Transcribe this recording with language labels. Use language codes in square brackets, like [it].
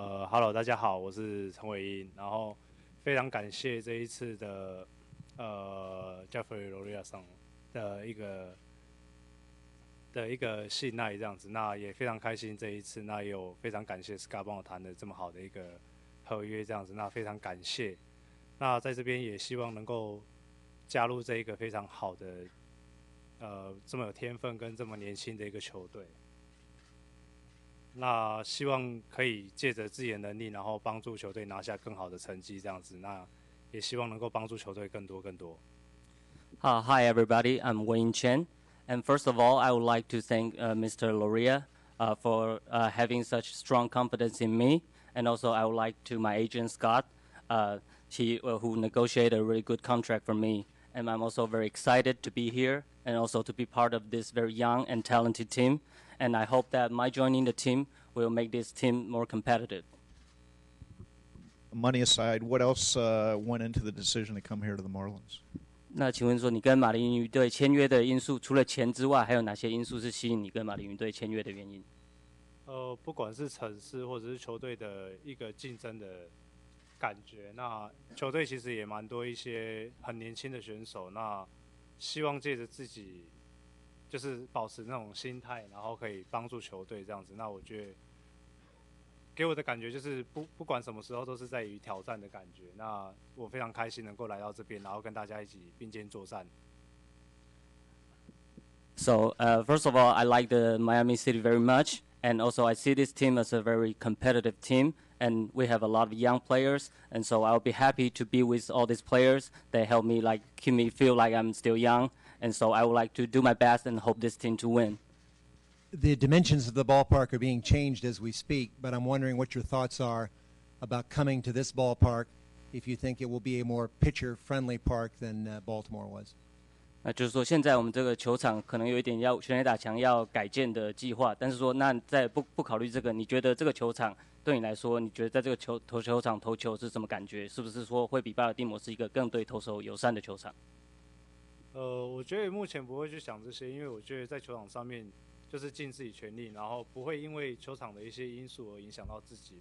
[zh] Hello， 大家好，我是陈伟英，然后非常感谢这一次的Jeffrey Loria 上的一个信赖这样子，那也非常开心这一次，那也有非常感谢 Scott 帮我谈的这么好的一个合约这样子，那非常感谢，那在这边也希望能够加入这一个非常好的这么有天分跟这么年轻的一个球队。那希望可以借着自己的能力，然后帮助球队拿下更好的成绩，这样子。那也希望能够帮助球队更多更多。 [en] Hi everybody, I'm Wei-Yin Chen. And first of all, I would like to thank Mr. Loria for having such strong confidence in me. And also, I would like to my agent Scott, who negotiated a really good contract for me. And I'm also very excited to be here and also to be part of this very young and talented team. And I hope that my joining the team will make this team more competitive. Money aside, what else went into the decision to come here to the Marlins? [zh] 那请问说，你跟马林鱼队签约的因素，除了钱之外，还有哪些因素是吸引你跟马林鱼队签约的原因？不管是城市或者是球队的一个竞争的感觉，那球队其实也蛮多一些很年轻的选手，那希望借着自己。就是保持那种心态，然后可以帮助球队这样子。那我觉得给我的感觉就是不管什么时候都是在于挑战的感觉。那我非常开心能够来到这边，然后跟大家一起并肩作战。 [en] So, first of all, I like the Miami City very much, and also I see this team as a very competitive team, and we have a lot of young players, and so I'll be happy to be with all these players. They help me like keep me feel like I'm still young. And so I would like to do my best and hope this team to win. The dimensions of the ballpark are being changed as we speak, but I'm wondering what your thoughts are about coming to this ballpark, if you think it will be a more pitcher-friendly park than Baltimore was. [zh] 那就是说现在我们这个球场可能有一点要全垒打墙要改建的计划，但是说那在不考虑这个，你觉得这个球场对你来说，你觉得在这个球场投球是什么感觉？是不是说会比巴尔的摩是一个更对投手友善的球场？我觉得目前不会去想这些，因为我觉得在球场上面就是尽自己全力，然后不会因为球场的一些因素而影响到自己。